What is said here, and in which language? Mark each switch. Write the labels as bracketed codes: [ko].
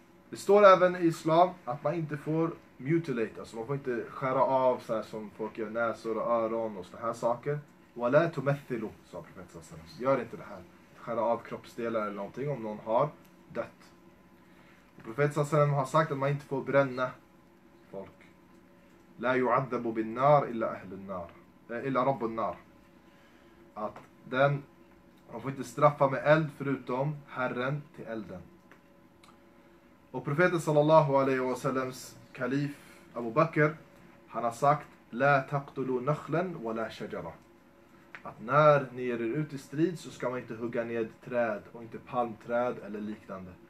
[sv] Det står även i islam att man inte får mutilate, alltså man får inte skära av så här som folk gör, näsor och öron och sådana här saker. [ar] وَلَا تُمَثِّلُوا, [sv] sa profeten sallallahu alaihi wasallam. Gör inte det här. Skära av kroppsdelar eller någonting om någon har dött. Och profeten sallallahu alaihi wasallam har sagt att man inte får bränna folk. [ar] لا يعذب بالنار الا اهل النار الا رب النار. [sv] Att den, man får inte straffa med eld förutom herren till elden. Och profeten sallallahu alaihi wasallams kalif Abu Bakr, han har sagt [ar] La taqtulu nakhlan wa la shajara. [sv] Att när ni ger er ut i strid så ska man inte hugga ned träd och inte palmträd eller liknande.